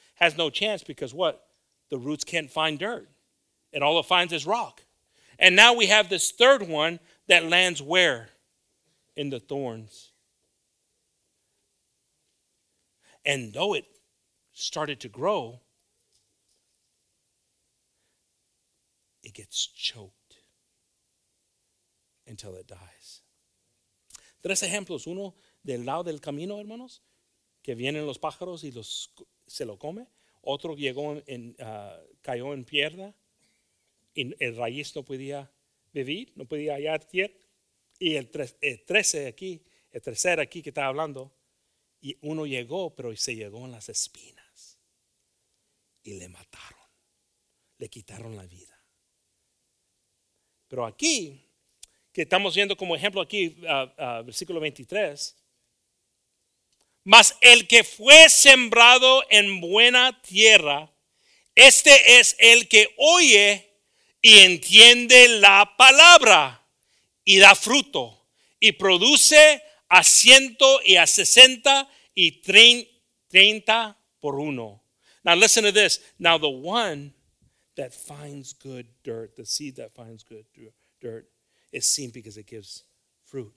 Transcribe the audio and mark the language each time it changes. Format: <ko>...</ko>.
<en>Has no chance because what? The roots can't find dirt. And all it finds is rock. And now we have this third one that lands where? in the thorns. And though it started to grow, it gets choked until it dies.</en> <es>Tres ejemplos. Uno del lado del camino, hermanos, que vienen los pájaros y los se lo come. Otro llegó en cayó en piedra y el raíz no podía vivir, no podía hallar tierra. Y el tercer aquí que estaba hablando, y uno llegó, pero se llegó en las espinas y le mataron, le quitaron la vida. Pero aquí, que estamos viendo como ejemplo aquí, versículo 23, mas el que fue sembrado en buena tierra, este es el que oye y entiende la palabra y da fruto y produce a ciento y a sesenta y treinta por uno.</es> <en>Now listen to this. Now the one that finds good dirt, the seed that finds good dirt, is seen because it gives fruit.</en>